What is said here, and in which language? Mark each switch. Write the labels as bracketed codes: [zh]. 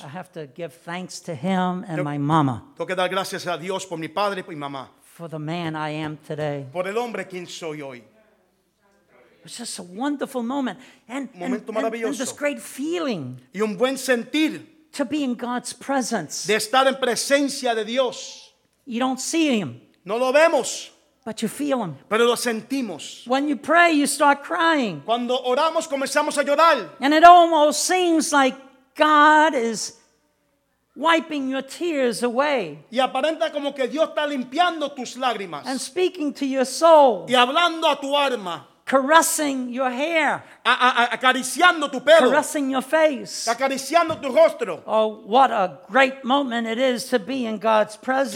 [en] I have to give thanks to him and my mama. [es] Tengo que dar gracias a Dios por mi padre y por mi mamá. [en] For the man I am today. [es] Por el hombre quien soy hoy. [en] It's just a wonderful moment. And, [es] momento maravilloso. [en] And this great feeling. [es] Y un buen sentir. [en] To be in God's presence. [es] De estar en presencia de Dios. [en] You don't see him. [es] No lo vemos. [en] But you feel him. [es] Pero lo sentimos. [en] When you pray, you start crying. [es] Cuando oramos, comenzamos a llorar. [en] And it almost seems like God is wiping your tears away. [es] Y aparenta como que Dios está limpiando tus lágrimas. [en] And speaking to your soul. [es] Y hablando a tu alma. [en] Caressing your hair. [es] Acariciando tu pelo. [en] Caressing your face. [es] Acariciando tu rostro. [en] Oh, what a great moment it is to be in God's presence.